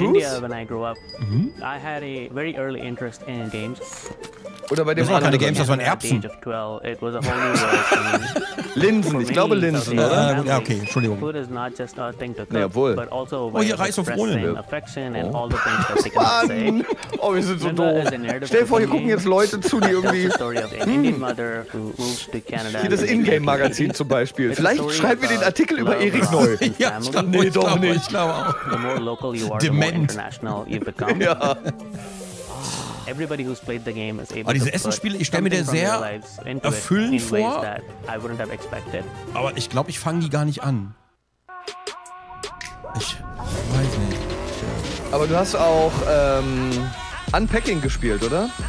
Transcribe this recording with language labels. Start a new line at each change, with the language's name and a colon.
English: In India, when I grew up, I had a very early interest in games.
German: Oder bei dem anderen Games, das waren Erbsen.
English: It was a whole new world for me.
German: Linsen, ich glaube Linsen. Ja, okay, Entschuldigung.
English: Food is not just a thing to cook, but also a way of expressing affection and all the things that they can say.
German: Oh, wir sind so doof. Stell dir vor, hier gucken jetzt Leute zu, die irgendwie... Hier das Ingame-Magazin zum Beispiel. Vielleicht schreiben wir den Artikel über Erik neu. Ja, ich glaube nicht. Doch nicht.
English: The more local you are, the more international you become.
German: Ja.
English: Everybody who's played the game is able
German: aber diese
English: to
German: Essensspiele, ich stelle mir der sehr erfüllend vor, aber ich glaube, ich fange die gar nicht an. Ich weiß nicht. Aber du hast auch Unpacking gespielt, oder?